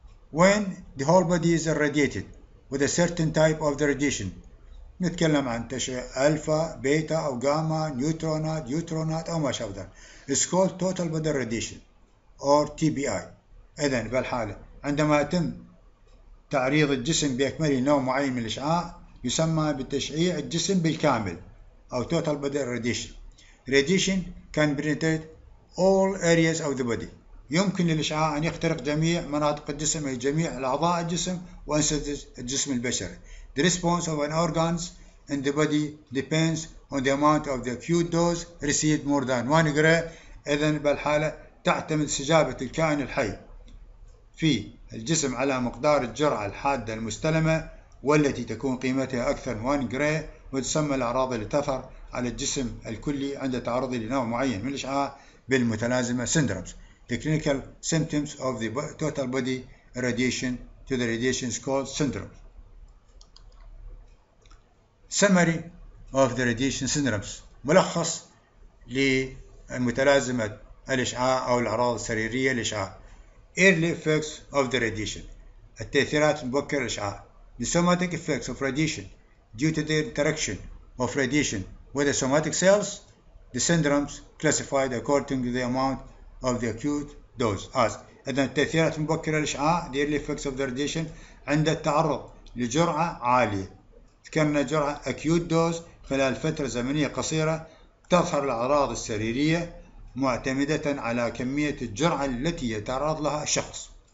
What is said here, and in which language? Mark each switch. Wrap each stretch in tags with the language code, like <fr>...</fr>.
<en>When the whole body is irradiated with a certain type of the radiation</en> <ar>نتكلم عن تشعيع ألفا بيتا أو جاما نيوترونات يوترونات أو ما شابه ذلك.</ar> <en>It's called total body radiation or TBI.</en> <ar>إذن بالحالة عندما يتم تعريض الجسم بأكمله نوع معين من الإشعاع يسمى بتشعيع الجسم بالكامل أو</ar> <en>total body radiation. Radiation can penetrate all areas of the body.</en> <ar>يمكن الإشعاع أن يخترق جميع مناطق الجسم أي جميع الأعضاء الجسم وأنسجة الجسم البشري.</ar> <en>The response of an organs in the body depends on the amount of the acute dose received more than 1 gray.</en> <ar>إذن بالحالة تعتمد استجابة الكائن الحي في الجسم على مقدار الجرعة الحادة المستلمة والتي تكون قيمتها أكثر من 1 gray وتسمى الأعراض اللي تظهر على الجسم الكلي عند تعرضه لنوع معين من الإشعاع بالمتلازمة syndromes.</ar> <en>The clinical symptoms of the total body radiation to the radiation is called syndrome. Summary of the radiation syndromes.</en> <ar>ملخص لمتلازمة الإشعاع أو الأعراض السريرية للإشعاع.</ar> <en>Early effects of the radiation.</en> <ar>التأثيرات المبكرة للإشعاع.</ar> <en>The somatic effects of radiation due to the interaction of radiation with the somatic cells. The syndromes classified according to the amount of the acute dose as.</en> <ar>إذن التأثيرات المبكرة للإشعاع</ar> <en>the early effects of the radiation</en> <ar>عند التعرض لجرعة عالية ذكرنا جرعة acute dose خلال فترة زمنية قصيرة تظهر الأعراض السريرية معتمدة على كمية الجرعة التي يتعرض لها الشخص.</ar>